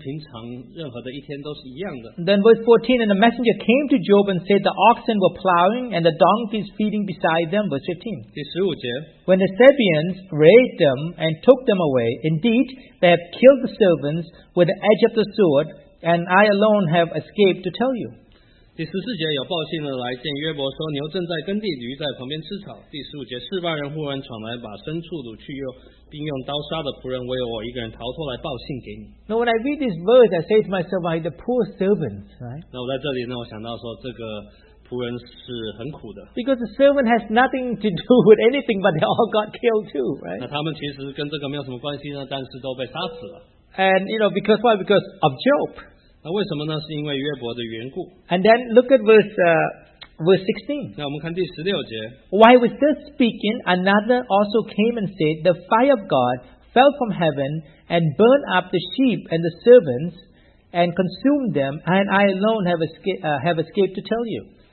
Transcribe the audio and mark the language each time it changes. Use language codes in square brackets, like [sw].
[zh] 第十三节这里好像就是跟平常任何的一天都是一样的。 [en] Then verse 14, and the messenger came to Job and said, the oxen were plowing and the donkeys feeding beside them. Verse 15. [zh] 第十五节, [en] when the Sabians raised them and took them away, indeed, they have killed the servants with the edge of the sword, and I alone have escaped to tell you. [zh] 第十四节有报信的来见约伯说牛正在耕地驴在旁边吃草。第十五节释放人忽然闯来把牲畜掳去又并用刀杀的仆人唯有我一个人逃脱来报信给你。 [en] Now when I read this verse, I say to myself, like the poor servants, right? [zh] 那我在这里呢，我想到说这个仆人是很苦的。 [en] Because the servant has nothing to do with anything, but they all got killed too, right? [zh] 那他们其实跟这个没有什么关系呢，但是都被杀死了。 [en] And you know because why? Because of Job. [zh] 那为什么呢？是因为约伯的缘故。 [en] And then look at verse 16. [zh] 那我们看第十六节。 [en] While was this speaking, another also came and said, the fire of God fell from heaven and burned up the sheep and the servants and consumed them, and I alone have escaped to tell you.